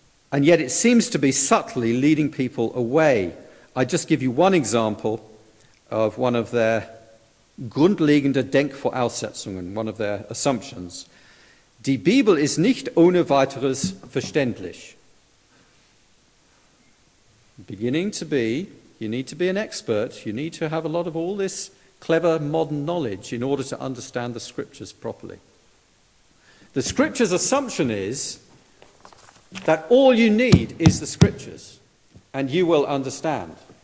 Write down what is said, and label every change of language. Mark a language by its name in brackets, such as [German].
[English] And yet it seems to be subtly leading people away. I just give you one example of one of their [German] grundlegende Denkvoraussetzungen, [English] one of their assumptions. [German] Die Bibel ist nicht ohne weiteres verständlich. [English] Beginning to be, you need to be an expert, you need to have a lot of all this clever modern knowledge in order to understand the Scriptures properly. The Scriptures' assumption is that all you need is the Scriptures, and you will understand.